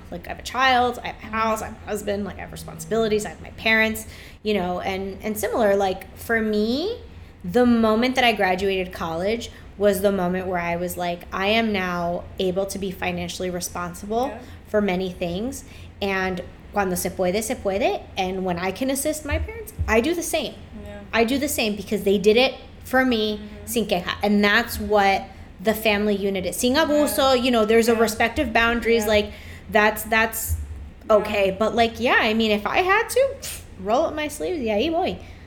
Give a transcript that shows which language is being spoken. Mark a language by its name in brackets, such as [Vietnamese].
[English] Like, I have a child, I have a house, I have a husband, like, I have responsibilities, I have my parents, you know, and similar. Like, for me, the moment that I graduated college was the moment where I was like, I am now able to be financially responsible for many things. And [Spanish] cuando se puede, se puede. [English] And when I can assist my parents, I do the same. Yeah. I do the same because they did it for me, [Spanish] sin queja. [English] And that's what the family unit is. [Spanish] Sin abuso, [English] you know, there's a respective boundaries. Yeah. Like, that's okay. Yeah. But, like, yeah, I mean, if I had to, roll up my sleeves, yeah, [Spanish] ahí voy.